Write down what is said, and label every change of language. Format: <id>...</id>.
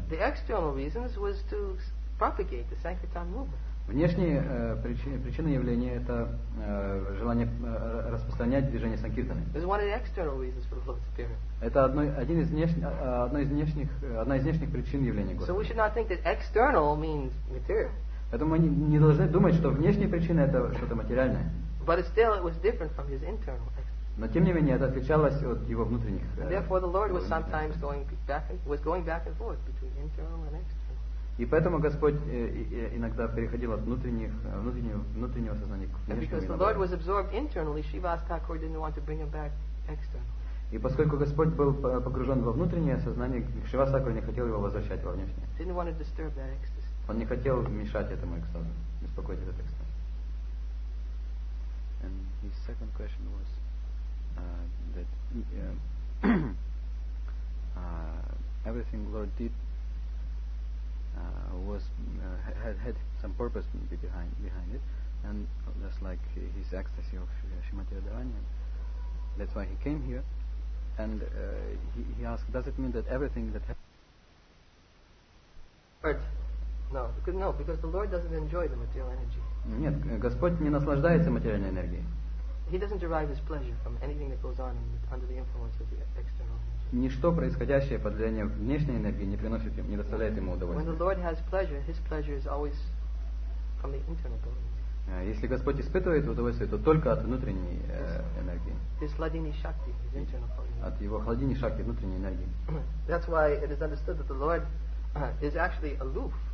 <en>The external reasons was to propagate the sankirtan movement.</en> <ru>Внешние причины явления — это желание распространять движение санкиртаны.</ru> <en>This is one of the external reasons for the Lord's appearance.</en> <ru>Это одна из внешних причин явления Господа.</ru> <en>So we should not think that external means material.</en> <ru>Поэтому мы не должны думать, что внешняя причина — это что-то материальное.</ru> <en>But still it was different from his internal.</en> <ru>Но тем не менее это отличалось от его внутренних.</ru> <en>And therefore the Lord was sometimes going back and forth between internal and external.</en> <ru>И поэтому Господь иногда переходил от внутреннего сознания к внешнему.</ru> <en>And because the Lord was absorbed internally, Shrivas Thakur didn't want to bring him back external.</en> <ru>И поскольку Господь был погружен во внутреннее сознание, Шривас Такур не хотел его возвращать во внешнее.</ru> <en>He didn't want to disturb that external.</en> <ru>Он не хотел мешать этому экстазу, беспокоить этот экстаз.</ru> <en>And his second question was that everything Lord did was had some purpose maybe behind it, and just like his ecstasy of Shrimati Radharani, that's why he came here, and he asked, does it mean that everything that happened? No, because the Lord doesn't enjoy the material energy.</en> <ru>Нет, Господь не наслаждается материальной энергией.</ru> <en>He doesn't derive his pleasure from anything that goes on under the influence of the external energy.</en> <ru>Ничто происходящее под влиянием внешней энергии не приносит ему, не доставляет ему удовольствия.</ru> <en>When the Lord has pleasure, his pleasure is always from the internal energy.</en> <ru>Если Господь испытывает удовольствие, то только от внутренней энергии.</ru> <en>His ladini shakti, his internal energy.</en> <ru>От его хладини шакти, внутренней энергии.</ru> <en>That's why it is understood that the Lord is actually aloof.</en>